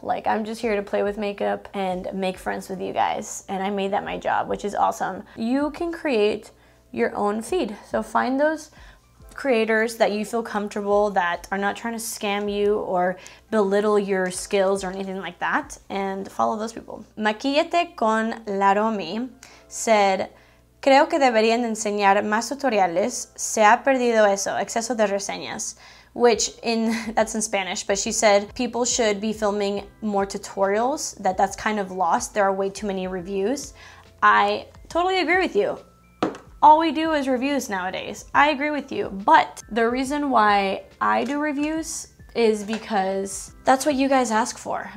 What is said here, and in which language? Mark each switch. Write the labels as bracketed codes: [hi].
[en] Like, I'm just here to play with makeup and make friends with you guys, and I made that my job, which is awesome. You can create your own feed, so find those creators that you feel comfortable, that are not trying to scam you or belittle your skills or anything like that, and follow those people. [es] Maquillate con Laromi said, creo que deberían enseñar más tutoriales, se ha perdido eso, exceso de reseñas. [en] Which, in, that's in Spanish, but she said people should be filming more tutorials, that that's kind of lost. There are way too many reviews. I totally agree with you. All we do is reviews nowadays. I agree with you. But the reason why I do reviews is because that's what you guys ask for.